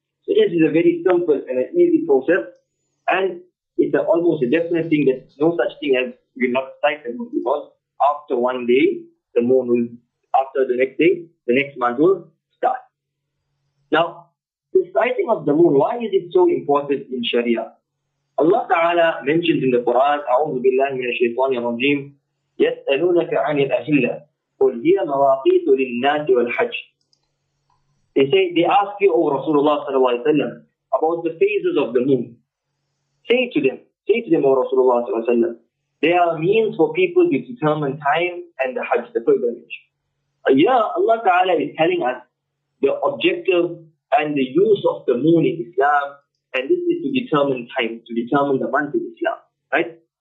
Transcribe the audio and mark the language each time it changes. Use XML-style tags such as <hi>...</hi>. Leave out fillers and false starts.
<en>So this is a very simple and an easy process, and it's almost a definite thing that no such thing as we not sight the moon, because after one day, the moon will, after the next day, the next month will start. Now, the sighting of the moon, why is it so important in Sharia?</en> <ar>Allah Ta'ala mentions in the Quran, أعوذ بالله من الشيطان الرجيم, يسألونك عن الأهلة, قل هي مواقيت للناس والحج.</ar> <en>They say, they ask you, O Rasulullah Sallallahu Alaihi Wasallam, about the phases of the moon. Say to them, O Rasulullah Sallallahu Alaihi Wasallam, they are means for people to determine time and the Hajj, the pilgrimage. Yeah, Allah Ta'ala is telling us the objective and the use of the moon in Islam, and this is to determine time, to determine the month in Islam, right?</en>